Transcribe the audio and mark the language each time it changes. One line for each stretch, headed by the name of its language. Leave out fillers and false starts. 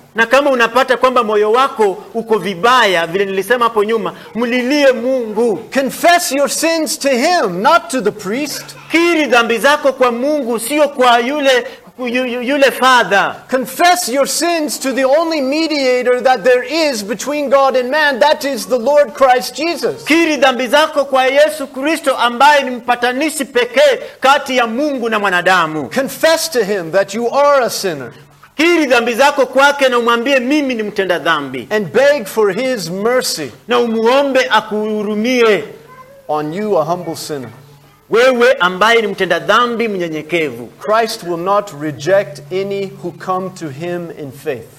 Swahili: Na kama unapata kwamba moyo wako uko vibaya vile nilisema hapo nyuma, mlilie Mungu.
English: Confess your sins to him, not to the priest.
Swahili: Kiri dhambi zako kwa Mungu, sio kwa yule father.
English: Confess your sins to the only mediator that there is between God and man, that is the Lord Christ Jesus.
Swahili: Kiri dhambi zako kwa Yesu Kristo ambaye ni mpatanishi pekee kati ya Mungu na mwanadamu.
English: Confess to him that you are a sinner.
Swahili: Kiri dhambi zako kwake na umwambie mimi ni mtenda dhambi.
English: And beg for his mercy.
Swahili: Na umuombe akuhurumie.
English: On you, a humble sinner.
Swahili: Wewe ambaye ni mtenda dhambi mnyenyekevu.
English: Christ will not reject any who come to him in faith.